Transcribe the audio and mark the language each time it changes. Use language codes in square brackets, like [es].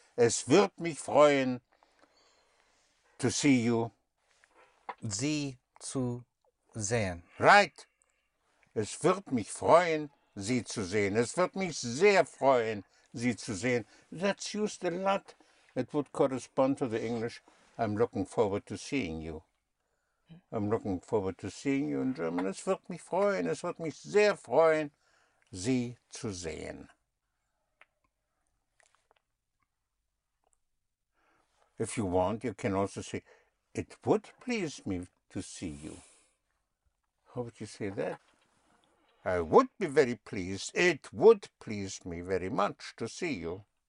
[de] Es wird mich freuen, [en] to see you. [de] Sie zu sehen. [en] Right. [de] Es wird mich freuen, Sie zu sehen. Es wird mich sehr freuen, Sie zu sehen. [en] That's used a lot. It would correspond to the English. I'm looking forward to seeing you. I'm looking forward to seeing you in German. [de] Es wird mich freuen. Es wird mich sehr freuen, Sie zu sehen. [en] If you want, you can also say, it would please me to see you. How would you say that? I would be very pleased. It would please me very much to see you.